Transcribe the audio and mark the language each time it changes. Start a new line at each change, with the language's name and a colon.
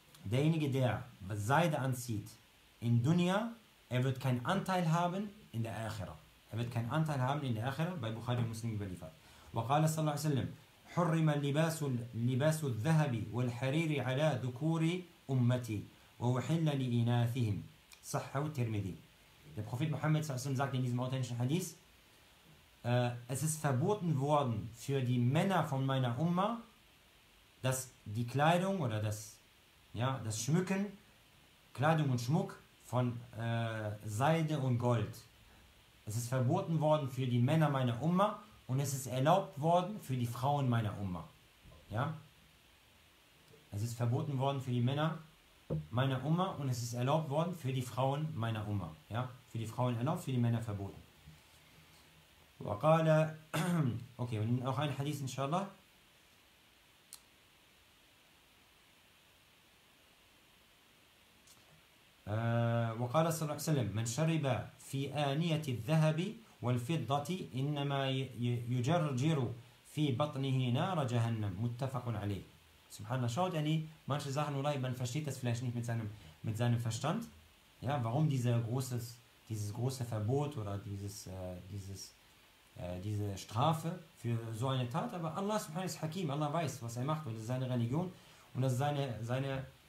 German: Derjenige, der Seide anzieht in Dunya, er wird keinen Anteil haben in der Akhira. Er wird keinen Anteil haben in der Akhira, bei Bukhari und Muslim überliefert.
Arabic: وقال صلى الله عليه وسلم حرم لباس الذهب والحرير على ذكور أمتي ووحل لإناثهم. صحه الترمذي.
German: Der Prophet Muhammad
Arabic: صلى الله عليه وسلم
German: sagt in diesem authentischen Hadith, es ist verboten worden für die Männer von meiner Umma, dass die Kleidung oder das Schmücken, Kleidung und Schmuck von Seide und Gold. Es ist verboten worden für die Männer meiner Umma und es ist erlaubt worden für die Frauen meiner Umma. Ja? Es ist verboten worden für die Männer meiner Umma und es ist erlaubt worden für die Frauen meiner Umma. Ja? Für die Frauen erlaubt, für die Männer verboten. Okay, und noch ein Hadith, inshallah.
Arabic: وقال صلى الله عليه وسلم من شرب في آنية الذهب والفضة إنما يجرجر في بطنه نار جهنم. متفق عليه. سبحان الله.
German: Schaut, yani, manche Sachen, والله, man versteht das vielleicht nicht mit seinem Verstand. Ja, warum dieses große Verbot oder diese Strafe für so eine Tat? Aber Allah
Arabic: subhanahu wa ta'ala
German: ist Hakim. Allah weiß, was er macht, und das ist seine Religion und das ist seine